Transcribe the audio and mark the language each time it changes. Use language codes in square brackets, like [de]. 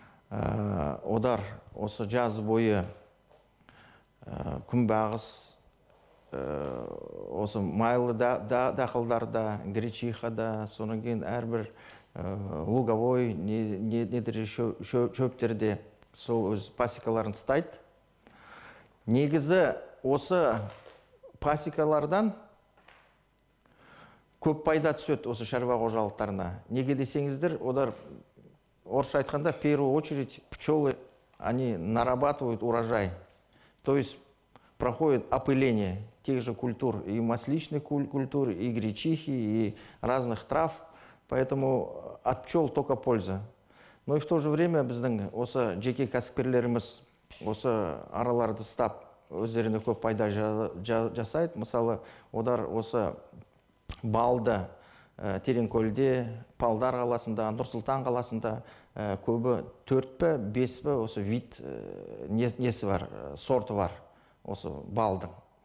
[kk] Одар осы жаз бойы күнбағыс, осы майлы дақылдарда, гречихада, сонан кейін әрбір луговой, шөптерде сол өз пасекаларын ұстайды. Негізі осы пасекалардан көп пайда түседі осы шаруа қожалықтарына. Неге десеңіздер, олар орысша айтқанда, [ru] в первую очередь, пчелы, они нарабатывают урожай. То есть проходит опыление тех же культур, и масличных культур, и гречихи, и разных трав. Поэтому от пчел только польза. Но и в то же время, [kk] біздің осы жеке кәсіпкерлеріміз, осы араларды ұстап, өздеріне көп пайда жасайды. Мысалы, олар осы балды Тереңкөлде, Павлодар қаласында, Нұрсұлтан қаласында көбі 4-5 осы вид несі бар, сорты бар осы балдың.